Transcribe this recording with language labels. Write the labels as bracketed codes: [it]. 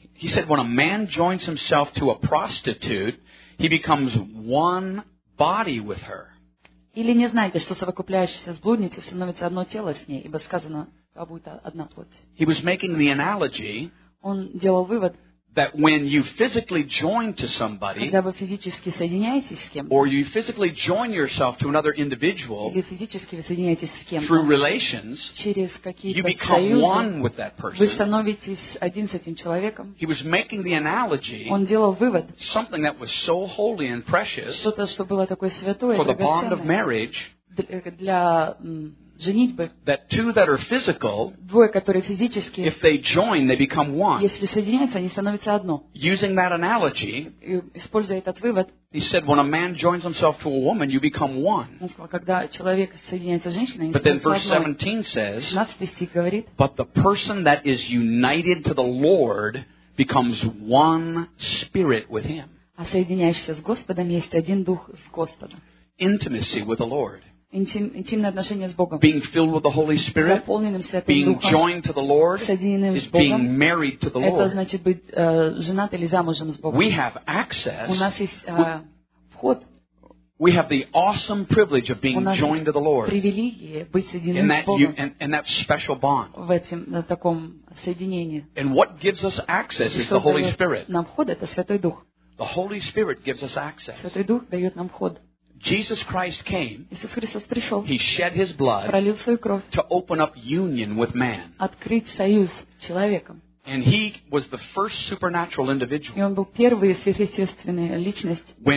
[en] he said, when a man joins himself to a prostitute, he becomes one body with her. [ru] Или не знаете, что совокупляющийся с блудницей становится одно тело с ней, ибо сказано, а будет одна плоть. [en] He was making the analogy. [ru] Он делал вывод. [en] That when you physically join to somebody, [ru] когда вы физически соединяетесь с кем-то, [en] or you physically join yourself to another individual, [ru] или физически вы соединяетесь с кем-то, [en] through relations, [ru] через какие-то [en] you become [ru] союзы, [en] one with that person. [ru] Вы становитесь один с этим человеком. [en] He was making the analogy, [ru] он делал вывод, [en] something that was so holy and precious, [ru] что-то, что было такое святое, [en] for the bond of marriage, [ru] для женитьбы, [en] that two that are physical, [ru] двое, которые физически, [en] if they join, they become one. [ru] Если соединяются, они становятся одно. [en] Using that analogy, [ru] используя этот вывод, [en] he said, when a man joins himself to a woman, you become one. [ru] Он сказал, когда человек соединяется с женщиной, [en] but then verse 17 says, [ru] 17 стих говорит, [en] but the person that is united to the Lord becomes one spirit with him. [ru] А соединяющийся с Господом есть один дух с Господом. [en] Intimacy with the Lord. [ru] интимные отношения с Богом. [en] Being filled with the Holy Spirit, [ru] заполненным Святым Духом. [en] Being joined to the Lord, [ru] соединенным с Богом. [en] Being married to the Lord. [ru] Это значит быть женат или замужем с Богом. [en] We have access. [ru] У нас есть вход. [en] We have the awesome privilege of being joined to the Lord. [ru] Привилегия быть соединенным с Богом. [en] And that special bond. [ru] В этом на таком соединении. [en] And what gives us access is the Holy Spirit. [ru] Нам вход это Святой Дух. [en] The Holy Spirit gives us access. [ru] Святой Дух дает нам вход. [en] Jesus Christ came. [ru] Иисус Христос пришел. [en] He shed his blood. [ru] Пролил свою кровь. [en] To open up union with man. [ru] Открыть союз с человеком. [en] And he was the first supernatural individual. [ru] И он был первой сверхъестественной личностью.